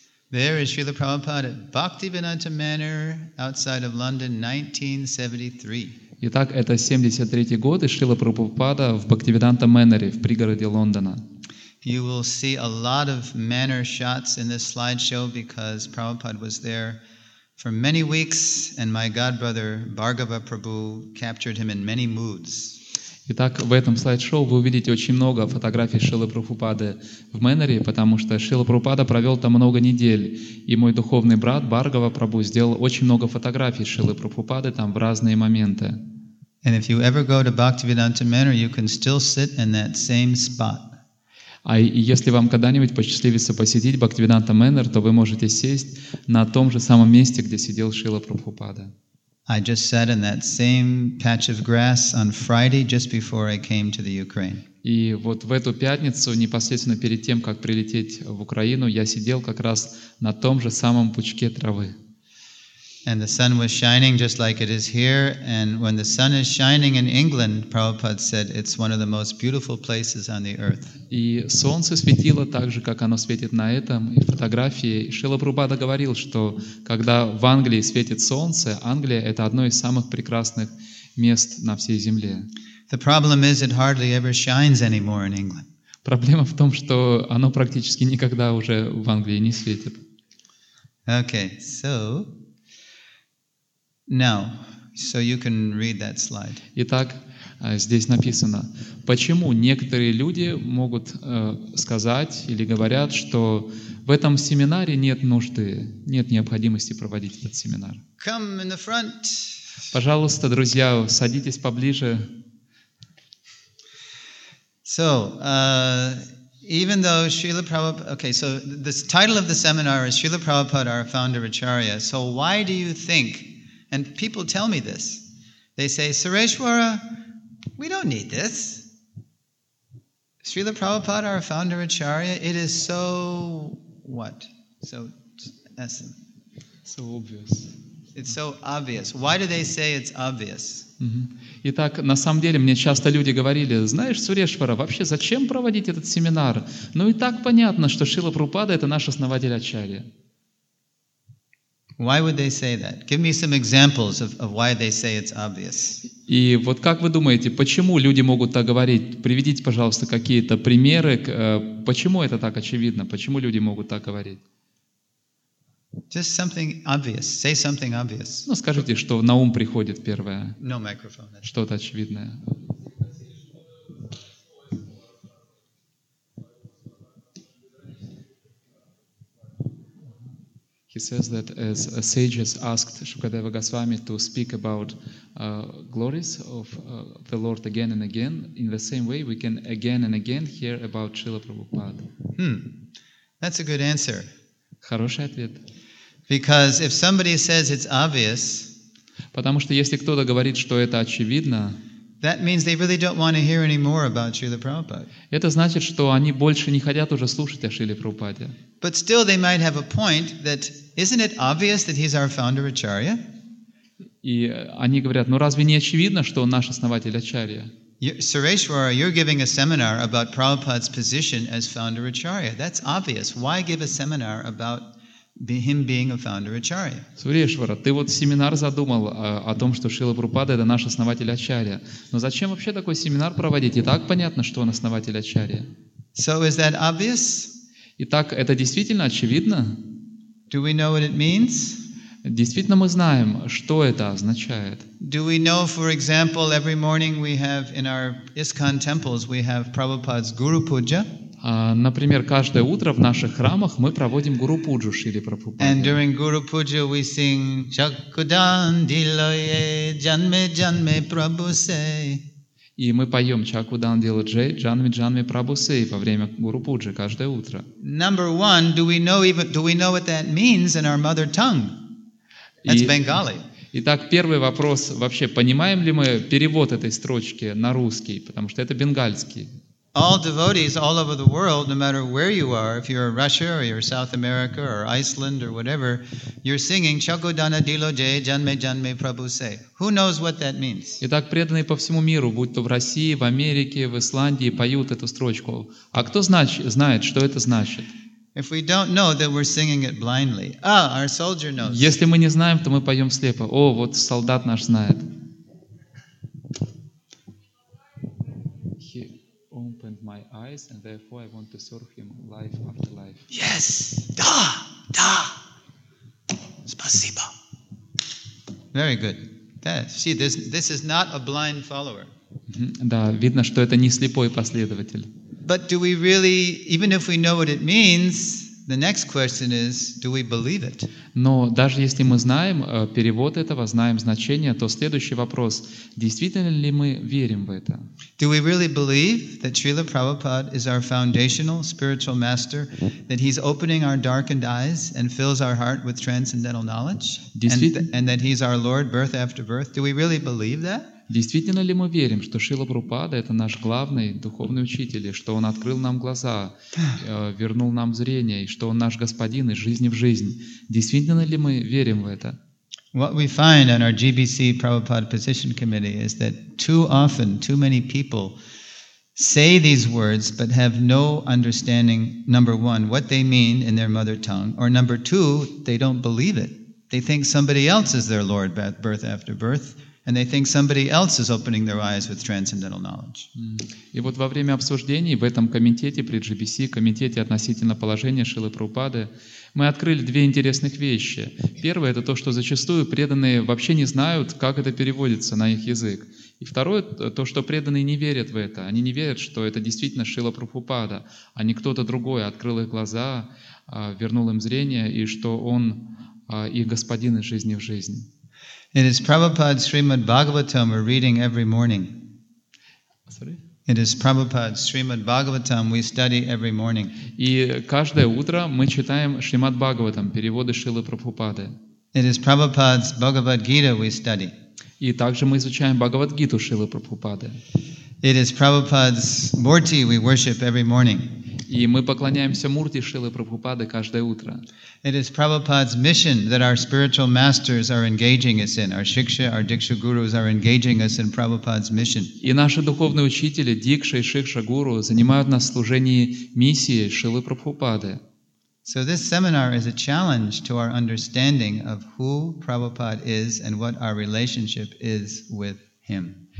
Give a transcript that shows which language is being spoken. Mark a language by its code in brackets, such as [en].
[en] There is Srila Prabhupada at Bhaktivedanta Manor outside of London, 1973. [ru] Итак, это 73-й год, и Шрила Прабхупада в Бхактивиданта Мэннере, в пригороде Лондона. [en] You will see a lot of manor shots in this slideshow because Prabhupada was there for many weeks, and my godbrother Bhargava Prabhu captured him in many moods. [ru] Итак, в этом слайд-шоу вы увидите очень много фотографий Шрилы Прабхупады в Мэннере, потому что Шрила Прабхупада провел там много недель, и мой духовный брат Бхаргава Прабху сделал очень много фотографий Шрилы Прабхупады там в разные моменты. [en] And if you ever go to Bhaktivedanta Manor, you can still sit in that same spot. [ru] А если вам когда-нибудь посчастливится посетить Бхактивиданта Мэннер, то вы можете сесть на том же самом месте, где сидел Шрила Прабхупада. [en] I just sat in that same patch of grass on Friday just before I came to the Ukraine. [ru] И вот в эту пятницу, непосредственно перед тем, как прилететь в Украину, я сидел как раз на том же самом пучке травы. [en] And the sun was shining just like it is here. And when the sun is shining in England, Prabhupada said, it's one of the most beautiful places on the earth. [ru] И солнце светило так же, как оно светит на этом и фотографии. Шрила Прабхупада говорил, что когда в Англии светит солнце, Англия — это одно из самых прекрасных мест на всей земле. [en] The problem is it hardly ever shines anymore in England. [ru] Проблема в том, что оно практически никогда уже в Англии не светит. [en] Okay, so... Now, so you can read that slide. [ru] Итак, здесь написано, почему некоторые люди могут сказать или говорят, что в этом семинаре нет нужды, нет необходимости проводить этот семинар. [en] Come in the front. [ru] Пожалуйста, друзья, садитесь поближе. [en] So, even though Srila Prabhupada... Okay, so the title of the seminar is Srila Prabhupada, our founder Acharya. So why do you think... And people tell me this. They say, Sureshwara, we don't need this. Srila Prabhupada, our founder Acharya, it is so... what? So essence. So obvious. It's so obvious. Why do they say it's obvious? [ru] Итак, на самом деле, мне часто люди говорили, знаешь, Сурешвара, вообще зачем проводить этот семинар? Ну и так понятно, что Шрила Прабхупада — это наш основатель Ачарья. [en] Why would they say that? Give me some examples of why they say it's obvious. [ru] И вот как вы думаете, почему люди могут так говорить? Приведите, пожалуйста, какие-то примеры, почему это так очевидно? Почему люди могут так говорить? [en] Just something obvious. Say something obvious. [ru] Ну, скажите, что на ум приходит первое. [en] No microphone. That's... [ru] Что-то очевидное. [en] He says that as sages asked Shukadeva Goswami to speak about glories of the Lord again and again, in the same way we can again and again hear about Srila Prabhupada. That's a good answer. [ru] Хороший ответ. [en] Because if somebody says it's obvious, [ru] потому что если кто-то говорит, что это очевидно, [en] That means they really don't want to hear any more about Srila Prabhupada. [ru] Это значит, что они больше не хотят уже слушать о Шриле Прабхупаде. [en] But still they might have a point that isn't it obvious that he's our founder Acharya? [ru] И они говорят: "Ну разве не очевидно, что он наш основатель Ачарья?" [en] Sureshwara, you're giving a seminar about Prabhupada's position as founder Acharya. That's obvious. Why give a seminar about him being a founder Acharya? [ru] Сурешвара, ты вот семинар задумал о том, что Шрила Прабхупада это наш основатель Ачарья. Но зачем вообще такой семинар проводить? И так понятно, что он основатель Ачарья. [en] So is that obvious? [ru] Итак, это действительно очевидно? [en] Do we know what it means? [ru] Действительно мы знаем, что это означает? [en] Do we know, for example, every morning we have in our ISKCON temples we have Prabhupada's Guru Puja? [ru] Например, каждое утро в наших храмах мы проводим Гуру Пуджу Шрили Прабхупаде. [en] And during Guru Puja we sing [bn] Чакудандилое Джанме Джанме Прабусей. [ru] И мы поем [bn] Чакудандилое Джанме Джанме Прабусей [ru] во время Гуру Пуджи каждое утро. [en] Number one, do we know what that means in our mother tongue? That's Bengali. [ru] Итак, первый вопрос вообще, понимаем ли мы перевод этой строчки на русский, потому что это бенгальский. [en] All devotees all over the world, no matter where you are, if you're in Russia or you're in South America or Iceland or whatever, you're singing [bn] Chakodana Diloje Janme Janme Prabhuse. [en] Who knows what that means? [ru] Итак, преданные по всему миру, будь то в России, в Америке, в Исландии, поют эту строчку. А кто знает, что это значит? [en] If we don't know, then we're singing it blindly. Ah, our soldier knows. [ru] Если мы не знаем, то мы поем слепо. О, вот солдат наш знает. [en] Opened my eyes, and therefore I want to serve him life after life. Yes, [ru] da, da. Спасибо. [en] Very good. This is not a blind follower. [ru] Да, видно, что это не слепой последователь. [en] But do we really, even if we know what it means, the next question is, do we believe it? [ru] Но даже если мы знаем перевод этого, знаем значение, то следующий вопрос: действительно ли мы верим в это? [en] Do we really believe that Srila Prabhupada is our foundational spiritual master, that he's opening our darkened eyes and fills our heart with transcendental knowledge, and that he's our Lord birth after birth? Do we really believe that? [ru] Действительно ли мы верим, что Шрила Прабхупада это наш главный духовный учитель, и что он открыл нам глаза, вернул нам зрение, и что он наш господин из жизни в жизнь? Действительно ли мы верим в это? [en] What we find on our GBC Prabhupada Position Committee is that too often too many people say these words but have no understanding, number one, what they mean in their mother tongue, or number two, they don't believe it. They think somebody else is their Lord birth after birth. And they think somebody else is opening their eyes with transcendental knowledge. [ru] И вот во время обсуждений в этом комитете при GBC, комитете относительно положения Шрилы Прабхупады, мы открыли две интересных вещи. Первое — это то, что зачастую преданные вообще не знают, как это переводится на их язык. И второе — то, что преданные не верят в это. Они не верят, что это действительно Шрила Прабхупада, а не кто-то другой открыл их глаза, вернул им зрение, и что он их господин из жизни в жизнь. [en] It is Prabhupada's Srimad Bhagavatam we're reading every morning. Sorry? It is Prabhupada's Srimad Bhagavatam we study every morning. [ru] И каждое утро мы читаем Шримад Бхагаватам, переводы Шрилы Прабхупады. [en] It is Prabhupada's Bhagavad Gita we study. [ru] И также мы изучаем Бхагавад Гиту Шрилы Прабхупады. [en] It is Prabhupada's Murti we worship every morning. [ru] И мы поклоняемся Мурти Шрилы Прабхупады каждое утро. [en] It is Prabhupada's mission that our spiritual masters are engaging us in. Our Shiksha, our Diksha gurus are engaging us in Prabhupada's mission. [ru] И наши духовные учители, Дикша и Шикша гуру, занимают нас в служении миссии Шрилы Прабхупады. [en] So this seminar is a challenge to our understanding of who Prabhupada is and what our relationship is with him.